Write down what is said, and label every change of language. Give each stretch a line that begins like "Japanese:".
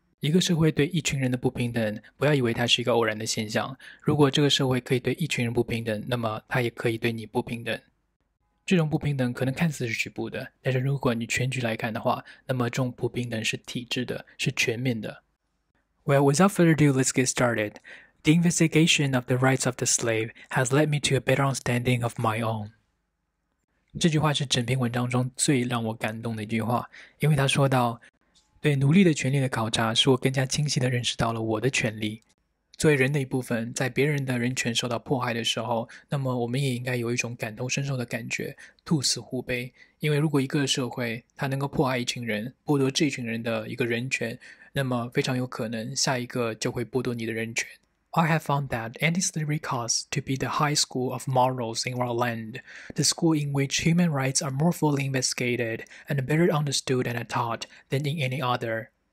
Chinese: 一个社会对一群人的不平等，不要以为它是一个偶然的现象。如果这个社会可以对一群人不平等，那么它也可以对你不平等。这种不平等可能看似是局部的，但是如果你全局来看的话，那么这种不平等是体制的，是全面的。
English: Well, without further ado, let's get started. The investigation of the rights of the slave has led me to a better understanding of my own.
Chinese: 这句话是整篇文章中最让我感动的一句话，因为他说到，对奴隶的权利的考察使我更加清晰地认识到了我的权利。作为人的一部分，在别人的人权受到迫害的时候，那么我们也应该有一种感同身受的感觉，兔死狐悲。因为如果一个社会它能够迫害一群人，剥夺这群人的一个人权，那么非常有可能下一个就会剥夺你的人权。
English: I have found that anti-slavery cause to be the high school of morals in our land, the school in which human rights are more fully investigated and better understood and taught than in any other.